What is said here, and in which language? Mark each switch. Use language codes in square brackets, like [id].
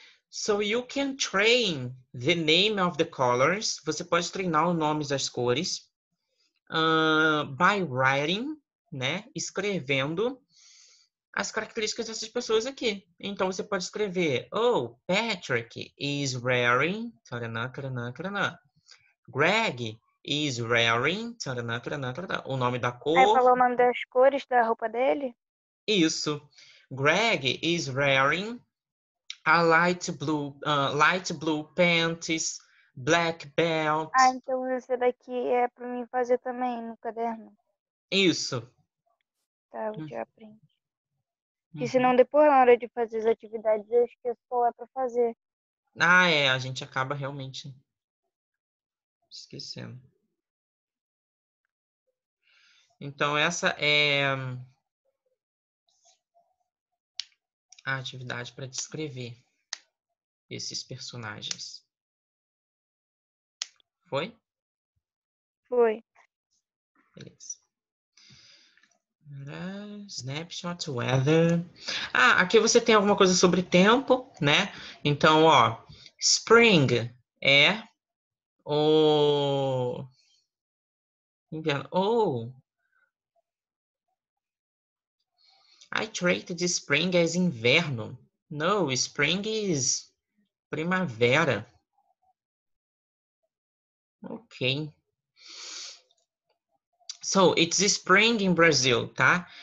[en] So you can train the name of the colors. [pt] Você pode treinar os nomes das cores. [en] By writing, [pt] né? Escrevendo as características dessas pessoas aqui. Então você pode escrever: [en] Oh, Patrick is wearing. Taranã, taranã, taranã. Greg is wearing. [pt] Taranã, taranã, taranã. O nome da cor. Aí falou o nome das cores da roupa dele? Isso. [en] Greg is wearing a light blue panties, black belt. [pt] Ah, então esse daqui é para mim fazer também no caderno. Isso. Tá, eu já aprendi. Porque senão depois, na hora de fazer as atividades, eu esqueço qual é para fazer. Ah, é, a gente acaba realmente esquecendo. Então, essa é a atividade para descrever esses personagens. Foi? Foi. Beleza. [en] Snapshot weather. [pt] Ah, aqui você tem alguma coisa sobre tempo, né? Então, ó, spring é o inverno. Ou... [en] I treated spring as inverno. No, spring is primavera. Ok. So, it's spring in Brazil, tá?